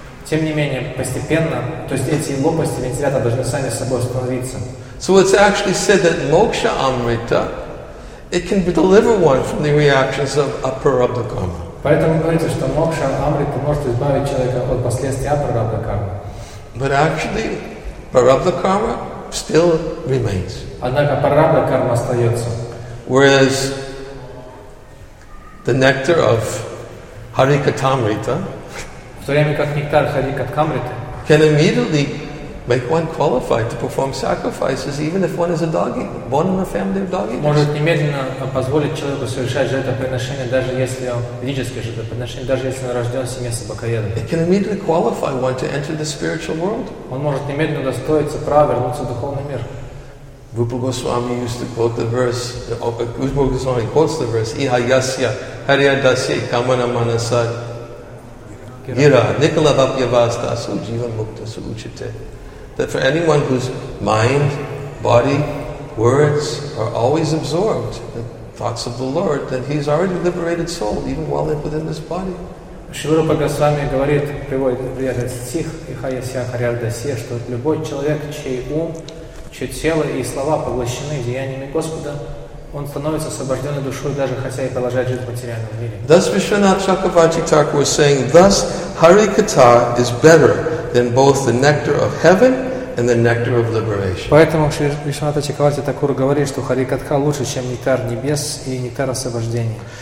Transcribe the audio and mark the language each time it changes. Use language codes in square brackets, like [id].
[ru] Тем не менее, постепенно, то есть эти лопасти вентилятора должны сами собой остановиться. [en] So it's actually said that moksha amrita, it can deliver one from the reactions of aprarabdha karma. [ru] Поэтому говорится, что мокша амрита может избавить человека от последствий апрарабдха кармы. [en] But actually, prarabdha karma still remains. [ru] Однако прарабдха карма остается. [en] Whereas the nectar of harikatamrita, [ru] в то время как нектар харикатамрита, [en] can immediately make one qualified to perform sacrifices, even if one is a dog eater, born in a family of dog eaters. [ru] Может немедленно позволить человеку совершать жертвоприношение, даже если он физическое жертвоприношение, даже если он рожден в семье собакоеда. [en] It can immediately qualify one to enter the spiritual world. [ru] Он может немедленно удостоиться права вернуться в духовный мир. [en] Rupa Goswami used to quote the verse. Rupa Goswami quotes the verse. [sa] Iha yasya hariya dasya kamana manasa gira nikala vapyavasta su jivan mukta su uchite. [en] That for anyone whose mind, body, words are always absorbed in thoughts of the Lord, then he's already a liberated soul, even while within this body. [ru] Шрила Госвами говорит, приводит этот стих, Ихая Сиахарьярдасе, что любой человек, чей ум, чье тело и слова поглощены деяниями Господа, он становится освобожденной душой, даже хотя и продолжает жить в материальном мире. [en] Thus Vishwanath Chakravarti Thakur was saying, thus Harikatha is better than both the nectar of heaven and the nectar of liberation. [ru] Поэтому Вишванатха Чакраварти Такура говорит, что Харикатха лучше, чем нектар небес и нектар освобождения.